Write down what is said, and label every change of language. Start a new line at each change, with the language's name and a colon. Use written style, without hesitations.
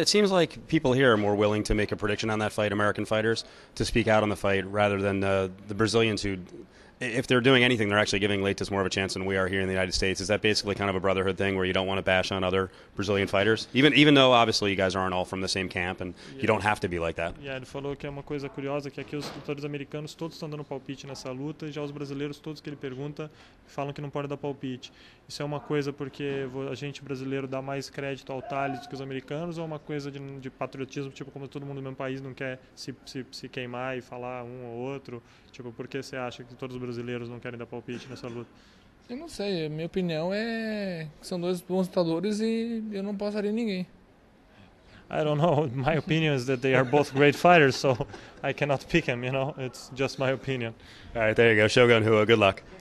English: It seems like people here are more willing to make a prediction on that fight, American fighters, to speak out on the fight rather than the Brazilians who... If they're doing anything, they're actually giving Leitas more of a chance than we are here in the United States. Is that basically kind of a brotherhood thing where you don't want to bash on other Brazilian fighters? Even though, obviously, you guys aren't all from the same camp and you don't have to be like that.
Portuguese: Yeah, ele falou que é uma coisa curiosa, que aqui os lutadores americanos todos estão dando palpite nessa luta e já os brasileiros, todos que ele pergunta, falam que não pode dar palpite. Isso é uma coisa porque a gente brasileiro dá mais crédito ao Thales que os americanos ou é uma coisa de patriotismo, tipo, como todo mundo do mesmo país não quer se queimar e falar um ou outro? Tipo, por que você acha que todos os brasileiros não querem dar palpite nessa luta? Eu não sei, a minha opinião é que são dois bons lutadores e eu não passaria ninguém.
English: I don't know, my opinion is that they are both great fighters, so I cannot pick them, you know, it's just my opinion. All right, there you go, Shogun Rua, good luck.